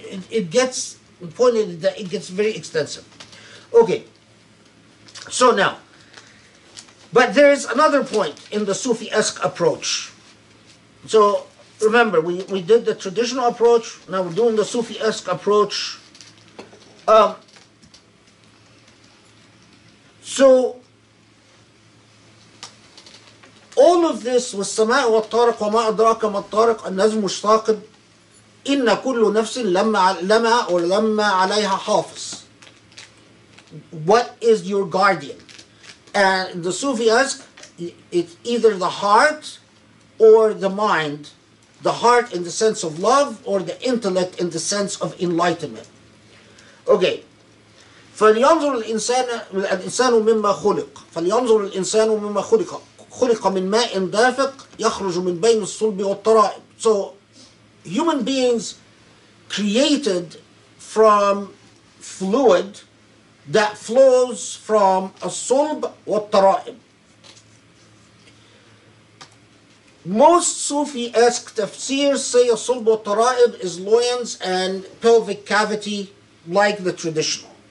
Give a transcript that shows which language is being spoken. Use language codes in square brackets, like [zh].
[en] It gets very extensive. Okay. So now, but there is another point in the Sufi-esque approach. So remember, we did the traditional approach. Now we're doing the Sufi-esque approach. [ar] So all of this was السماء والطارق وما أدراك ما الطارق النجم الشاقب إن كل نفس لما or لما عليها حافظ. [en] What is your guardian? And the Sufi ask, it's either the heart or the mind, the heart in the sense of love or the intellect in the sense of enlightenment. Okay. [ar] فلينظر الإنسان الإنسان مما خلق فلينظر الإنسان مما خلق خلق من ماء دافق يخرج من بين الصلب والترائب. [en] So human beings created from fluid that flows from [ar] الصلب والترائب. [en] Most Sufi-esque tafsirs say a sulb wa tara'ib is loins and pelvic cavity, like the traditional.